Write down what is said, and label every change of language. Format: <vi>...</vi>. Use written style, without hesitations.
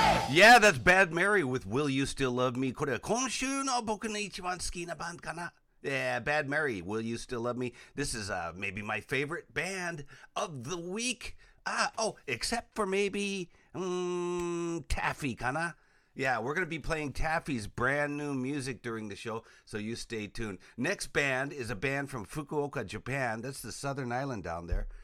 <en>Yeah, that's Bad Mary with Will You Still Love Me?</en> <ja>これは今週の僕の一番好きなバンドかな?</ja> <en>Yeah, Bad Mary, Will You Still Love Me? This is maybe my favorite band of the week. Except for maybe Taffy</en> <ja>かな?</ja> <en>Yeah, we're going to be playing Taffy's brand new music during the show, so you stay tuned. Next band is a band from Fukuoka, Japan. That's the southern island down there.</en>